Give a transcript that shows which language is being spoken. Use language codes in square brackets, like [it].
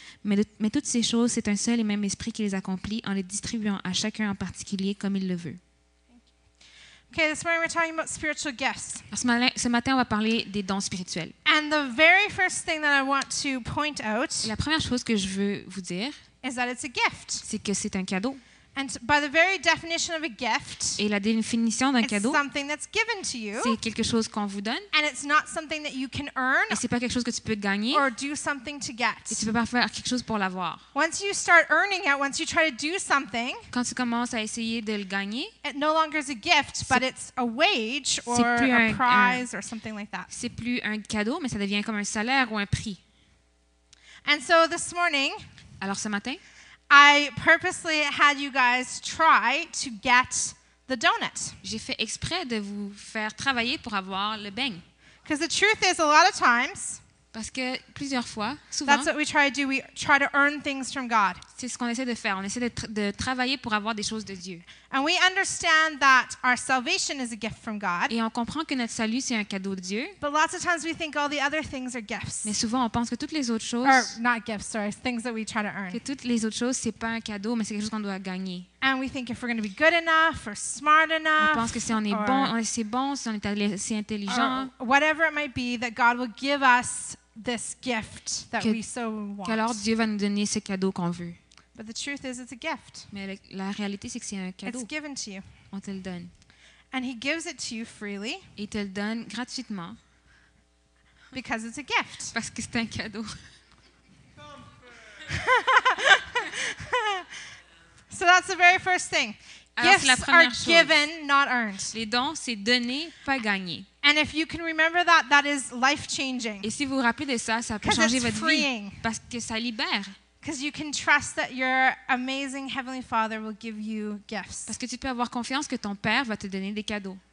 [fr] Mais toutes ces choses, c'est un seul et même esprit qui les accomplit en les distribuant à chacun en particulier comme il le veut. [en] Okay, this morning we're talking about spiritual gifts. [fr] Ce matin, on va parler des dons spirituels. [en] And the very first thing that I want to point out, [fr] la première chose que je veux vous dire, [en] is that it's a gift. [fr] C'est que c'est un cadeau. [en] And by the very definition of a gift, [fr] et la définition d'un cadeau, [en] something that's given to you, [fr] c'est quelque chose qu'on vous donne. [en] And it's not something that you can earn, [fr] et c'est pas quelque chose que tu peux gagner, [en] or do something to get. [fr] Et tu peux pas faire quelque chose pour l'avoir. [en] Once you start earning it, once you try to do something, [fr] quand tu commences à essayer de le gagner, [en] it no longer is a gift, but it's a wage or a prize or something like that. [fr] C'est plus un cadeau, mais ça devient comme un salaire ou un prix. [en] And so this morning, [fr] alors ce matin, [en] I purposely had you guys try to get the donut. [fr] J'ai fait exprès de vous faire travailler pour avoir le beignet. [en] Because the truth is, a lot of times, [fr] parce que plusieurs fois, souvent, [en] that's what we try to do. We try to earn things from God. [fr] C'est ce qu'on essaie de faire. On essaie de travailler pour avoir des choses de Dieu. [en] And we understand that our salvation is a gift from God. [fr] Et on comprend que notre salut c'est un cadeau de Dieu. [en] But lots of times we think all the other things are gifts. [fr] Mais souvent on pense que toutes les autres choses, [en] or not gifts, sorry, things that we try to earn. [fr] Que toutes les autres choses c'est pas un cadeau, mais c'est quelque chose qu'on doit gagner. [en] And we think if we're going to be good enough or smart enough, [fr] on pense que si on est bon, on est bon, si on est assez intelligent, [en] whatever it might be, that God will give us this gift that we so want. [fr] Qu'alors Dieu va nous donner ce cadeau qu'on veut. [en] But the truth is, it's a gift. [fr] Mais la réalité c'est que c'est un cadeau. [en] It's given to you. [fr] On te le donne. [en] And he gives it to you freely. [fr] Il te le donne gratuitement. [en] Because it's a gift. [fr] Parce que c'est un cadeau. [en] So that's the very first thing. [fr] Alors, [en] gifts are given, not earned. [fr] Les dons, c'est donné, pas gagné. [en] And if you can remember that, that is life-changing. [fr] Et si vous vous rappelez de ça, ça peut changer votre [en] freeing. [fr] Vie. Parce que ça libère. [en] Because you can trust that your amazing heavenly Father will give you gifts. [fr] Parce que tu peux avoir confiance que ton père va te donner des cadeaux.